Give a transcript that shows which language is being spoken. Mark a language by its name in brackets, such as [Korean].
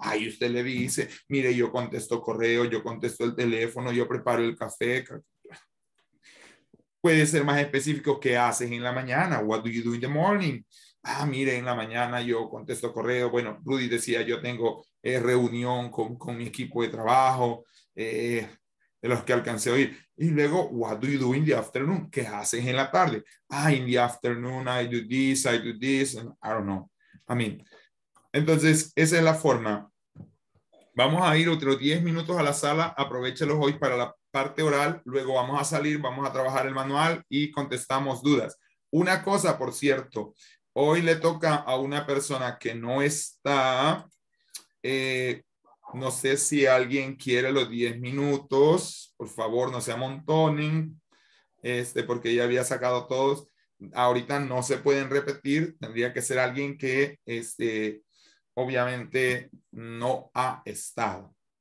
[Spanish] Ahí usted le dice, mire, yo contesto correo, yo contesto el teléfono, yo preparo el café. Puede ser más específico, ¿qué haces en la mañana? [English] What do you do in the morning? [Spanish] Ah, mire, en la mañana yo contesto correo. Bueno, Rudy decía, yo tengo reunión con mi equipo de trabajo, de los que alcancé a oír. Y luego, [English] what do you do in the afternoon? [Spanish] ¿Qué haces en la tarde? [English] Ah, in the afternoon I do this, and I don't know. I mean, [Spanish] entonces, esa es la forma. Vamos a ir otros 10 minutos a la sala. Aprovechelos hoy para la parte oral. Luego vamos a salir, vamos a trabajar el manual y contestamos dudas. Una cosa, por cierto, hoy le toca a una persona que no está, no sé si alguien quiere los 10 minutos, por favor no se amontonen, porque ya había sacado todos, ahorita no se pueden repetir, tendría que ser alguien que obviamente no ha estado.